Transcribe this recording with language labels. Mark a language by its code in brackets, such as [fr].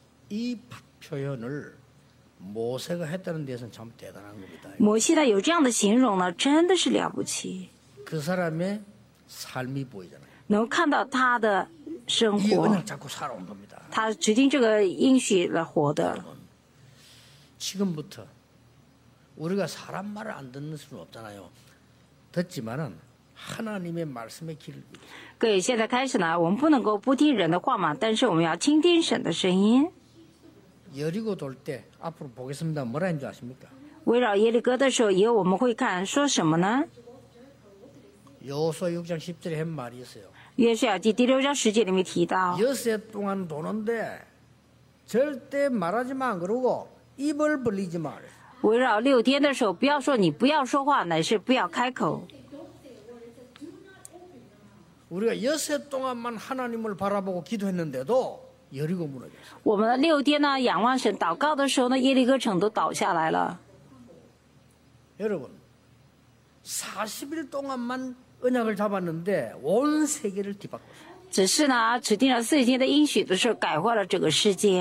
[ko] 이 표현을 모세가 했다는 데서는 참 대단한 겁니다. [zh] 摩西呢有这样的形容呢，真的是了不起. [ko] 그 사람의 삶이 보이잖아요. [zh] 能看到他的生活，他决定这个应许来活的。 [ko] 지금부터 우리가 사람 말을 안 듣는 수는 없잖아요. 듣지만은 하나님의 말씀의 길을. [zh] 各位，现在开始呢，我们不能够不听人的话嘛，但是我们要倾听神的声音。 [ko] 여리고 돌 때 앞으로 보겠습니다. 뭐라 했는지 아십니까? [zh] 围绕 耶利哥的时候， 以后我们会看，说什么呢？ [ko] 여호수아 6장 10절에 한 말이 있어요. [zh] 约书亚记第六章十节里面提到， [ko] 여섯 동안 도는데 절대 말하지 마 그러고 입을 벌리지 마. [zh] 围绕六天的时候，不要说你不要说话，乃是不要开口。 [ko] 우리가 여섯 동안만 하나님을 바라보고 기도했는데도 여리고 무너졌어. [zh] 我们六天呢仰望神祷告的时候呢，耶利哥城都倒下来了。 [ko] 여러분, 40일 동안만 은약을 잡았는데 온 세계를 뒤바꿔. [zh] 只是呢，指定了四天的应许的时候，改换了整个世界。